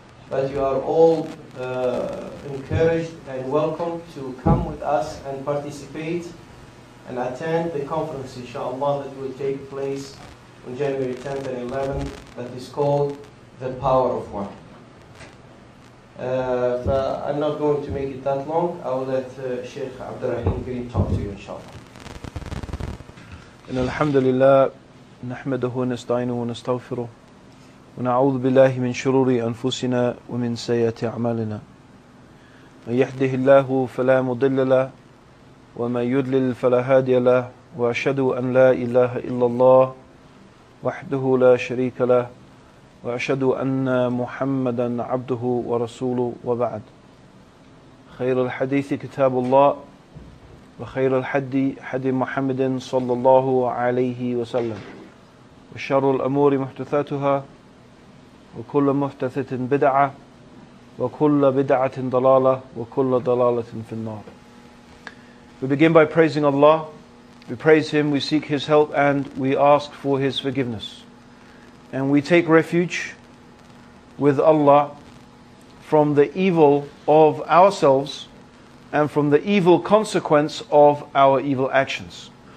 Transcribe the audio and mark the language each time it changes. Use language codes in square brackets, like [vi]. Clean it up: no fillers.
[en] But you are all encouraged and welcome to come with us and participate and attend the conference, inshallah, that will take place on January 10th and 11th, that is called The Power of One. I'm not going to make it that long. I will let Sheikh Abdul Raheem Green talk to you, inshallah. [ar] إن الحمد لله نحمده ونستعينه ونستغفره ونعوذ بالله من شرور أنفسنا ومن سيئات أعمالنا من يهده الله فلا مضل له ومن يضلل فلا هادي له وأشهد أن لا إله إلا الله وحده لا شريك له وأشهد أن محمدا عبده ورسوله وبعد خير الحديث كتاب الله وخير الحدي حدي محمد صلى الله عليه وسلم وشر الأمور محدثاتها وكل محدثة بدعة وكل بدعة ضلالة وكل ضلالة في النار. [en] We begin by praising Allah. We praise Him, we seek His help, and we ask for His forgiveness. And we take refuge with Allah from the evil of ourselves and from the evil consequence of our evil actions.